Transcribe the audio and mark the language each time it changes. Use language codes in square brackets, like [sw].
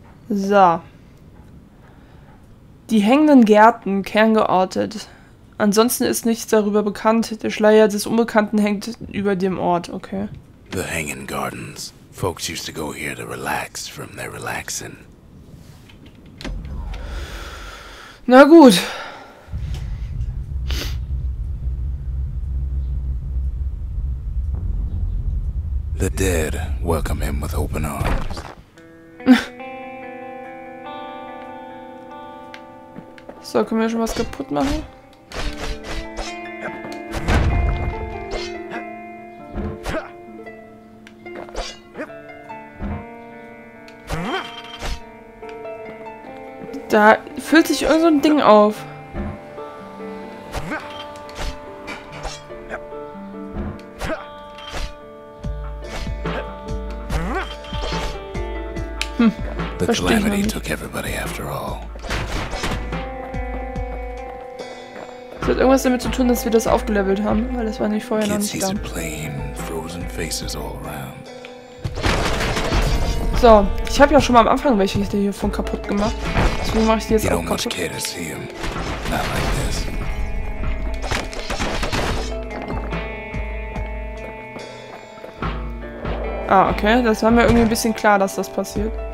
[de] So. Die hängenden Gärten, kerngeortet. Ansonsten ist nichts darüber bekannt. Der Schleier des Unbekannten hängt über dem Ort, okay. [en] The Hanging Gardens. Folks used to go here to relax from their relaxing. [de] Na gut. [en] The dead welcome him with open arms. [de] So, können wir schon was kaputt machen? Da füllt sich irgend so ein Ding auf. [en] The calamity took everybody after all. [de] Das hat irgendwas damit zu tun, dass wir das aufgelevelt haben, weil das war nicht vorher noch nicht da. [en] Plain, frozen faces all around. [de] So, ich habe ja schon mal am Anfang welche hier von kaputt gemacht. Deswegen mache ich die jetzt auch kaputt. [en] Much care to see him. Not like this. Ah, okay. [de] Das war mir irgendwie ein bisschen klar, dass das passiert.